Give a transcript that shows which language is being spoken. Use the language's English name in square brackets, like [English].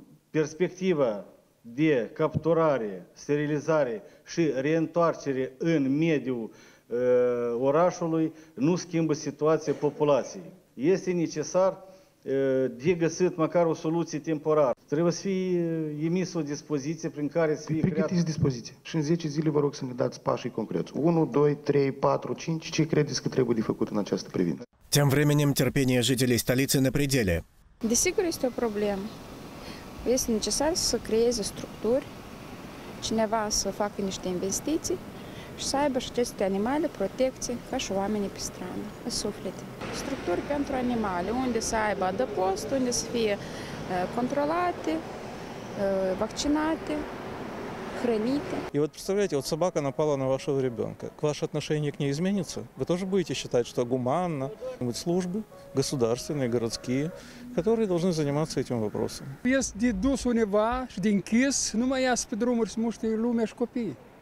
[Romanian] Perspectiva de capturare, sterilizare și reîntoarcere în mediul orașului nu schimbă situația populației. Este necesar de găsit măcar o soluție temporară. Trebuie să fie emis o dispoziție prin care să fie creată... Pregătiți dispoziție. Și în 10 zile vă rog să ne dați pașii concreți. 1, 2, 3, 4, 5. Ce credeți că trebuie de făcut în această privință? [Russian] Тем временем терпение жителей столицы на пределе. [Romanian] Desigur este o problemă. Este necesar să creeze structuri, cineva să facă niște investiții și să aibă și aceste animale protecție ca și oamenii pe stradă, în suflet. Structuri pentru animale, unde să aibă adăpost, unde să fie controlate, vaccinate, hrănite. [Russian] И вот представляете, вот собака напала на вашего ребенка. Ваше отношение к ней изменится? Вы тоже будете считать, что гуманно? Ведь службы государственные, городские, которые должны заниматься этим вопросом. Если дус у него, что инкис, ну, моя спидрумер, смущный лумеш копии.